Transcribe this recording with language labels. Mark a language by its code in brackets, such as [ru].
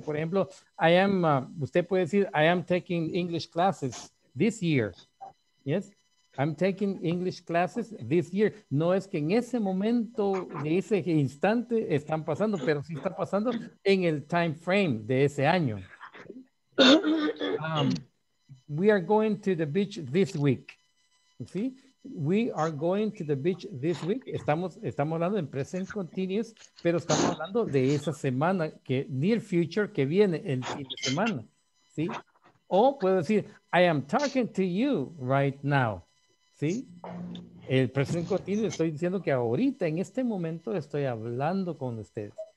[es] Por ejemplo, usted puede decir, [en] I am taking English classes this year. Yes, I'm taking English classes this year. [es] No es que en ese momento, de ese instante, están pasando, pero sí está pasando en el time frame de ese año. [en] We are going to the beach this week. [es] ¿Sí? [en] We are going to the beach this week. [es] Estamos hablando en present continuous, pero estamos hablando de esa semana, que near future, que viene el fin de semana. ¿Sí? O puedo decir, [en] I am talking to you right now. [es] ¿Sí? El present continuous, estoy diciendo que ahorita, en este momento, estoy hablando con ustedes.